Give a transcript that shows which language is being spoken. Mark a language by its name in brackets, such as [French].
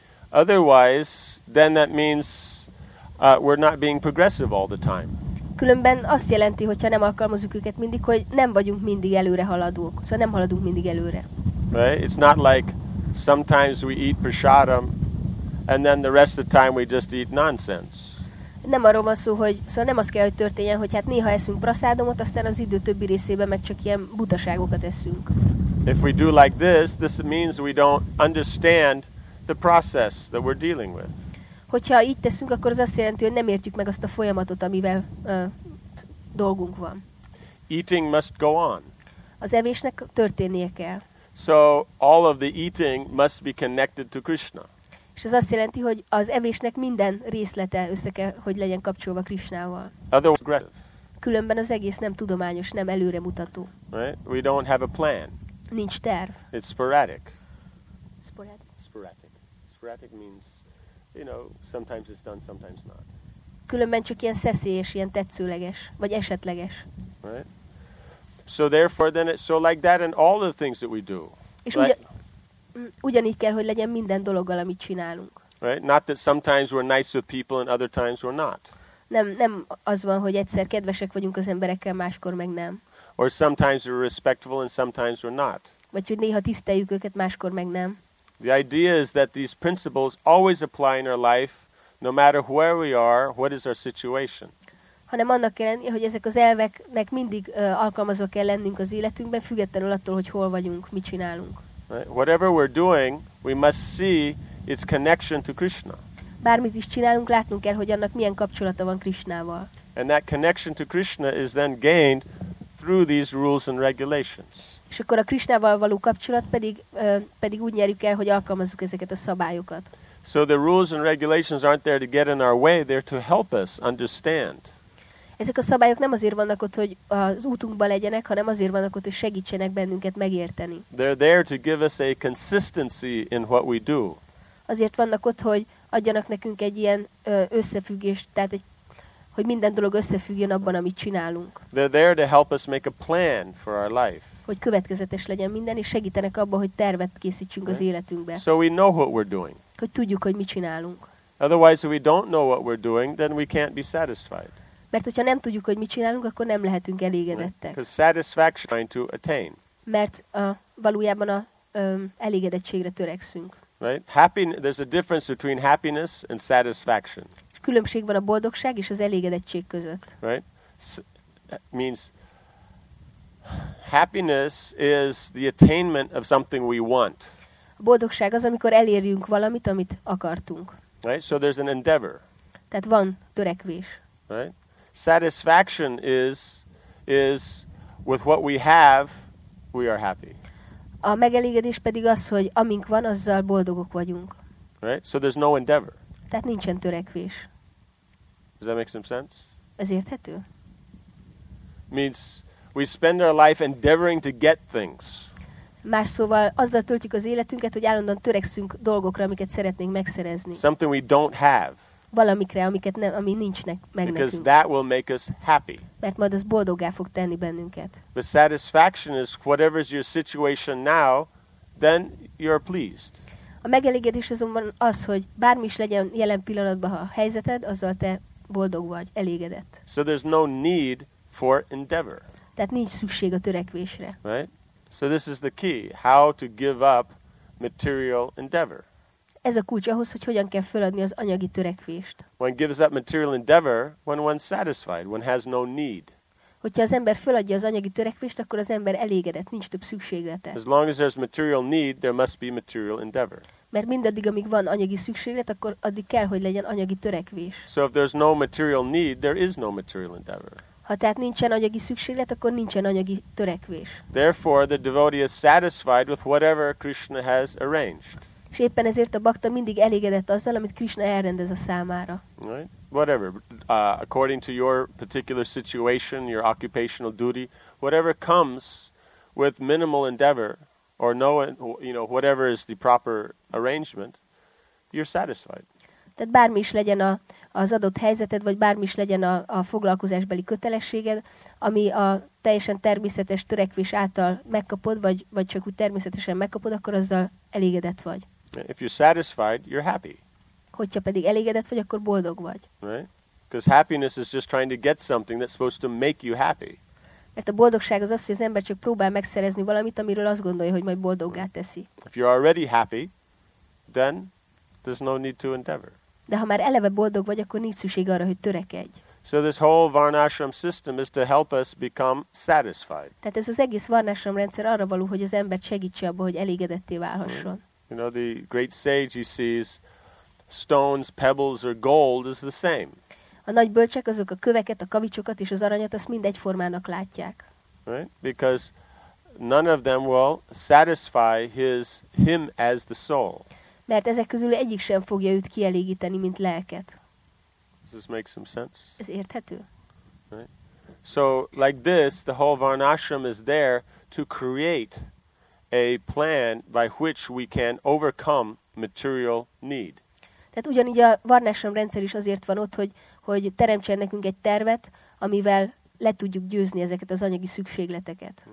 [English] Otherwise, then that means we're not being progressive all the time. [Hungarian] Különben azt jelenti, hogyha nem alkalmazunk őket mindig, hogy nem vagyunk mindig előre haladók, szóval nem haladunk mindig előre. [English] Right? It's not like sometimes we eat prasadam and then the rest of the time we just eat nonsense. [Hungarian] Nem arról van szó, hogy szóval nem az kell, hogy történjen, hogy hát néha eszünk prasádomot, aztán az idő többi részében meg csak ilyen butaságokat eszünk. [English] If we do like this, this means we don't understand the process that we're dealing with. [Hungarian] Hogyha így teszünk, akkor az azt jelenti, hogy nem értjük meg azt a folyamatot, amivel dolgunk van. [English] Eating must go on. [Hungarian] Az evésnek történnie kell. [English] So all of the eating must be connected to Krishna. [Hungarian] És az azt jelenti, hogy az evésnek minden részlete össze kell, hogy legyen kapcsolva Krishnával. Különben az egész nem tudományos, nem előremutató. [English] Right? We don't have a plan. [Hungarian] Nincs terv. [English] It's sporadic. Sporadic. Sporadic. Sporadic means, you know, sometimes it's done, sometimes not. [Hungarian] Különben csak ilyen szeszélyes, ilyen tetszőleges, vagy esetleges. [English] Right? So therefore then it's so like that in all the things that we do. [Hungarian] És ugye ugyanígy kell, hogy legyen minden dologgal, amit csinálunk. [English] Right? Not that sometimes we're nice with people and other times we're not. [Hungarian] Nem az van, hogy egyszer kedvesek vagyunk az emberekkel, máskor meg nem. [English] Or sometimes we're respectful and sometimes we're not. [Hungarian] Vagy hogy néha tiszteljük őket, máskor meg nem. [English] The idea is that these principles always apply in our life, no matter where we are, what is our situation. [Hungarian] Hanem annak kell lenni, hogy ezek az elveknek mindig alkalmazva kell lennünk az életünkben, függetlenül attól, hogy hol vagyunk, mit csinálunk. [English] Right. Whatever we're doing, we must see its connection to Krishna. [Hungarian] Bármit is csinálunk, látnunk kell, hogy annak milyen kapcsolata van Krishnával. [English] And that connection to Krishna is then gained through these rules and regulations. [Hungarian] És akkor a Krishnával való kapcsolat pedig úgy nyerjük el, hogy alkalmazzuk ezeket a szabályokat. [English] So the rules and regulations aren't there to get in our way, they're to help us understand. [Hungarian] Ezek a szabályok nem azért vannak ott, hogy az útunkban legyenek, hanem azért vannak ott, hogy segítsenek bennünket megérteni. [English] They're there to give us a consistency in what we do. [Hungarian] Azért vannak ott, hogy adjanak nekünk egy ilyen összefüggést, tehát hogy minden dolog összefüggjön abban, amit csinálunk. [English] They're there to help us make a plan for our life. [Hungarian] Hogy következetes legyen minden, és segítenek abban, hogy tervet készítsünk az életünkbe. [English] So we know what we're doing. [Hungarian] Hogy tudjuk, hogy mit csinálunk. [English] Otherwise, if we don't know what we're doing, then we can't be satisfied. [Hungarian] Mert hogyha nem tudjuk, hogy mit csinálunk, akkor nem lehetünk elégedettek. [English] Because satisfaction trying to attain. [Hungarian] Mert valójában elégedettségre törekszünk. [English] Right? Happiness, there's a difference between happiness and satisfaction. [Hungarian] Különbség van a boldogság és az elégedettség között. [English] Right? Means happiness is the attainment of something we want. [Hungarian] A boldogság az, amikor elérjünk valamit, amit akartunk. [English] Right? So there's an endeavor. [Hungarian] Tehát van törekvés. [English] Right? Satisfaction is with what we have, we are happy. [Hungarian] A megelégedés pedig az, hogy amink van, azzal boldogok vagyunk. [English] Right? So there's no endeavor. [Hungarian] Tehát nincsen törekvés. [English] Does that make some sense? [Hungarian] Ez érthető? [English] Means we spend our life endeavoring to get things. [Hungarian] Más szóval azzal töltjük az életünket, hogy állandóan törekszünk dolgokra, amiket szeretnénk megszerezni. [English] Something we don't have. [Hungarian] Valamikre, amiket nem, ami nincs meg [English] Because [Hungarian] nekünk. [English] That will make us happy. [Hungarian] Mert majd az boldoggá fog tenni bennünket. [English] The satisfaction is whatever is your situation now, then you're pleased. [Hungarian] A megelégedés azonban az, hogy bármi is legyen jelen pillanatban a helyzeted, azzal te boldog vagy, elégedett. [English] So there's no need for endeavor. [Hungarian] Tehát nincs szükség a törekvésre. [English] Right? So this is the key, how to give up material endeavor. [Hungarian] Ez a kulcs ahhoz, hogy hogyan kell feladni az anyagi törekvést. [English] One gives up material endeavor when one's satisfied, one has no need. [Hungarian] Hogyha az ember feladja az anyagi törekvést, akkor az ember elégedett, nincs több szükséglete. [English] As long as there's material need, there must be material endeavor. [Hungarian] Mert mindaddig, amíg van anyagi szükséglet, akkor addig kell, hogy legyen anyagi törekvés. [English] So if there's no material need, there is no material endeavor. [Hungarian] Ha tehát nincsen anyagi szükséglet, akkor nincsen anyagi törekvés. [English] Therefore, the devotee is satisfied with whatever Krishna has arranged. [Hungarian] És éppen ezért a bhakta mindig elégedett azzal, amit Krishna elrendez a számára. [English] Right? Whatever. According to your particular situation, your occupational duty, whatever comes with minimal endeavor, or no, you know, whatever is the proper arrangement, you're satisfied. [Hungarian] Tehát bármi is legyen az adott helyzeted, vagy bármi is legyen a foglalkozásbeli kötelességed, ami a teljesen természetes törekvés által megkapod, vagy csak úgy természetesen megkapod, akkor azzal elégedett vagy. [English] If you're satisfied, you're happy. [Hungarian] Hogyha pedig elégedett vagy, akkor boldog vagy. [English] Right? Because happiness is just trying to get something that's supposed to make you happy. [Hungarian] Mert a boldogság az, hogy az ember csak próbál megszerezni valamit, amiről azt gondolja, hogy majd boldoggá teszi. [English] If you're already happy, then there's no need to endeavor. [Hungarian] De ha már eleve boldog vagy, akkor nincs szükség arra, hogy törekedj. [English] So this whole varnashram system is to help us become satisfied. [Hungarian] Tehát ez az egész varnashram rendszer arra való, hogy az ember segítse abba, hogy elégedetté válhasson. [English] You know, the great sage, he sees stones, pebbles or gold is the same. [Hungarian] A nagy bölcsek azok a köveket, a kavicsokat és az aranyat azt mind egyformának látják. [English] Right? Because none of them will satisfy him as the soul. [Hungarian] Mert ezek közül egyik sem fogja őt kielégíteni, mint lelket. [English] Does this make some sense? [Hungarian] Ez érthető. [English] Right? So, like this, the whole Varnashram is there to create a plan by which we can overcome material need. [Hungarian] Tehát ugyanígy a Varnashram rendszer is azért van ott, hogy teremtsen nekünk egy tervet, amivel le tudjuk győzni ezeket az anyagi szükségleteket.